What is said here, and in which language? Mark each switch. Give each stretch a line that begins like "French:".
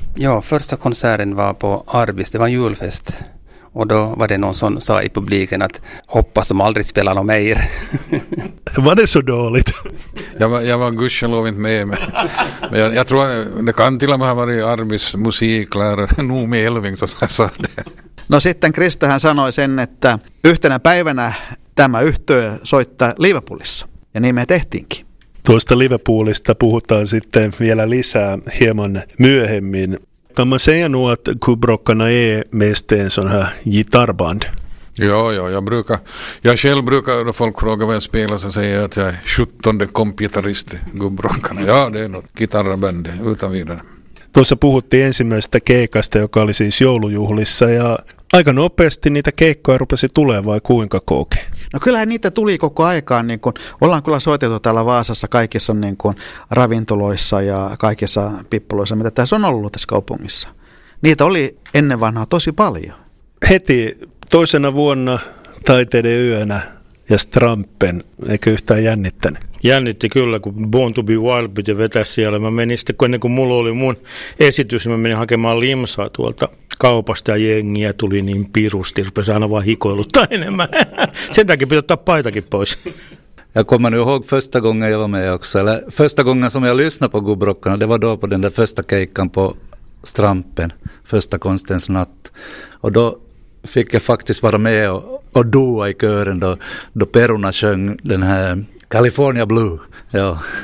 Swedish: Ja, första konserten var på Arbis, det var en julfest. Och då var det någon som sa i publiken att hoppas de aldrig spelar någon mer. Var det så dåligt? Jag var gudskelov inte med. Men jag tror att det kan till och med ha varit Arbis musiklärare, Noomi Elving, som sa det.
Finnish: No sitten Krista hän sanoi sen, että yhtenä päivänä tämä yhtye soittaa Liverpoolissa. Ja niin me tehtiinkin. Tuosta Liverpoolista puhutaan sitten vielä lisää hieman myöhemmin.
Swedish: Kan man säga nu att Kubrockarna är mest en sån här gitarrband? Ja, jag själv brukar när folk frågar vad jag spelar så säger jag att jag är 17:e kompgitarrist i Kubrockarna. Ja, det är något gitarrband utan vidare.
Finnish: Tuossa puhuttiin ensimmäisestä keikasta, joka oli siis joulujuhlissa, ja aika nopeasti niitä keikkoja rupesi tulemaan, vai kuinka kokee? No kyllähän niitä tuli koko aikaan, niin kun ollaan kyllä soitettu täällä Vaasassa kaikissa niin kun ravintoloissa ja kaikissa pippuloissa, mitä tässä on ollut tässä kaupungissa. Niitä oli ennen vanhaa tosi paljon. Heti toisena vuonna Taiteiden yönä ja Strampen, eikö yhtään jännittänyt? Jännitti kyllä, kun Born to be Wild piti vetää siellä. Mä menin sitten, kun ennen kuin mulla oli mun esitys, mä menin hakemaan limsaa tuolta kaupasta ja jengiä tuli niin pirusti. Rupesi aina vaan hikoiluttaa enemmän. Sen takia pitää ottaa paitakin pois.
Swedish: Jag kommer ihåg första gången jag var med också. Eller första gången som jag lyssnade på Kubrockarna, det var då på den där första keikan på Strampen. Första konstens natt. Och då fick jag faktiskt vara med och doa i kören då Peruna sjöng den här California Blue, ja.